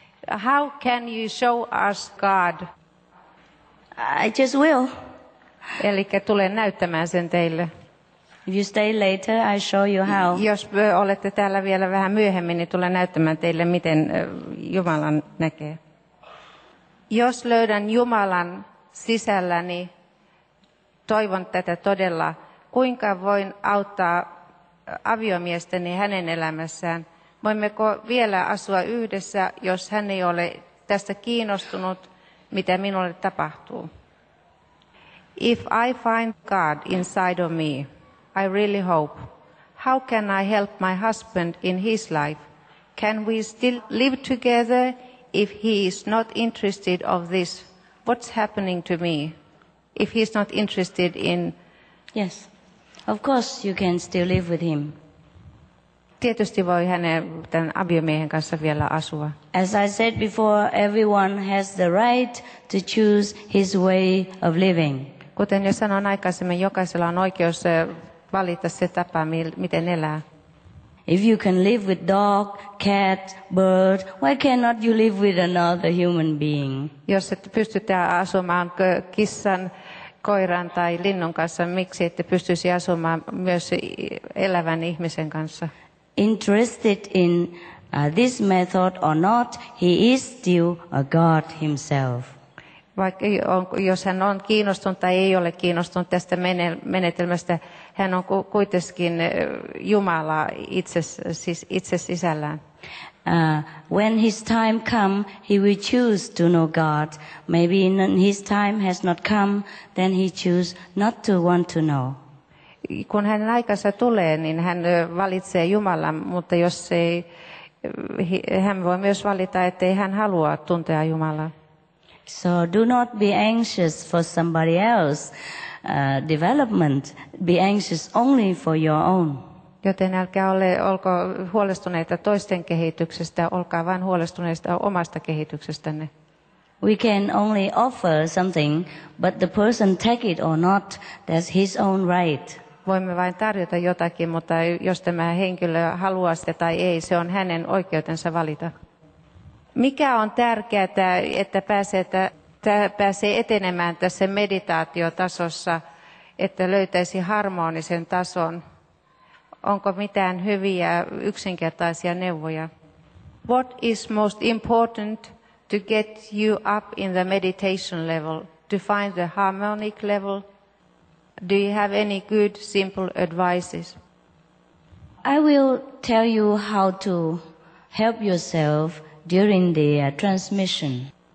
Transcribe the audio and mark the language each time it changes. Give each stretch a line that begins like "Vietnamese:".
English: How can you show us God? I just will.
Finnish: Eli tulen näyttämään sen teille.
English: If you stay later, I show you how.
Finnish: Jos olette täällä vielä vähän myöhemmin, niin tulen näyttämään teille, miten Jumalan näkee. Jos löydän Jumalan sisälläni, toivon tätä todella, kuinka voin auttaa aviomiestäni hänen elämässään? Voimmeko vielä asua yhdessä, jos hän ei ole tästä kiinnostunut, mitä minulle tapahtuu?
English: If I find God inside of me, I really hope. How can I help my husband in his life? Can we still live together if he is not interested of this? What's happening to me if he's not interested in... Yes, of course you can still live with him.
Finnish: Tietysti voi tämän aviomiehen kanssa vielä asua.
English: As I said before, everyone has the right to choose his way of living.
Finnish: Kuten jo sanoin aikaisemmin, jokaisella on oikeus valita se tapa, miten elää.
English: If you can live with dog, cat, bird, why cannot you live with another human being?
Finnish: Jos et pysty asumaan kissan, koiran tai linnun kanssa, miksi ette pystyisi asumaan myös elävän ihmisen kanssa?
English: Interested in this method or not, he is still a God himself.
Finnish: Vaikka jos hän on kiinnostunut tai ei ole kiinnostunut tästä menetelmästä, hän on kuitenkin Jumala itse sisällään.
English: When his time come, he will choose to know God. Maybe his time has not come, then he choose not to want to know.
Finnish: Kun hänen aikansa tulee, niin hän valitsee Jumalan, mutta jos ei, hän voi myös valita, että ei hän halua tuntea Jumalaa.
English: So do not be anxious for somebody else's development. Be anxious only for your own.
Finnish: Joten älkää olko huolestuneita toisten kehityksestä, olkaa vain huolestuneista omasta kehityksestänne.
English: We can only offer something, but the person take it or not, that's his own right.
Finnish: Voimme vain tarjota jotakin, mutta jos tämä henkilö haluaa sitä tai ei, se on hänen oikeutensa valita. Mikä on tärkeää, että pääsee etenemään tässä meditaatiotasossa, että löytäisi harmonisen tason? Onko mitään hyviä yksinkertaisia neuvoja?
English: What is most important to get you up in the meditation level, to find the harmonic level? Do you have any good simple advices? I will tell you how to help yourself during the transmission.